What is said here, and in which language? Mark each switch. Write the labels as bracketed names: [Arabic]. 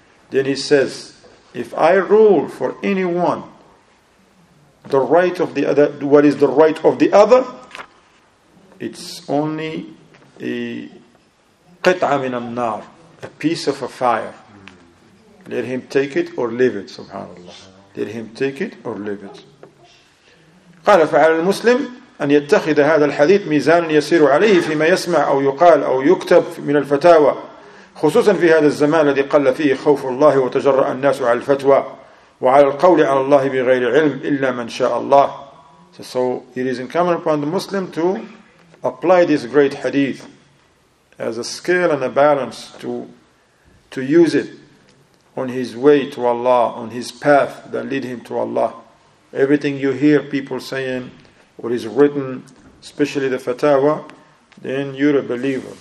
[English] Then he says, if I rule for anyone, the right of the other, what is the right of the other? It's only a qit'a min an-nar, a piece of a fire. Let him take it or leave it, subhanAllah. Let him take it or leave it. [Arabic] قال فعلى المسلم أن يتخذ هذا الحديث ميزانا يسير عليه فيما يسمع أو يقال أو يكتب من الفتاوى. خصوصا في هذا الزمان الذي قل فيه خوف الله وتجرأ الناس على الفتوى وعلى القول على الله بغير علم إلا من شاء الله. [English] So it is incumbent upon the Muslim to apply this great hadith as a scale and a balance to use it on his way to Allah, on his path that lead him to Allah. Everything you hear people saying or is written, especially the fatawa, then you're a believer.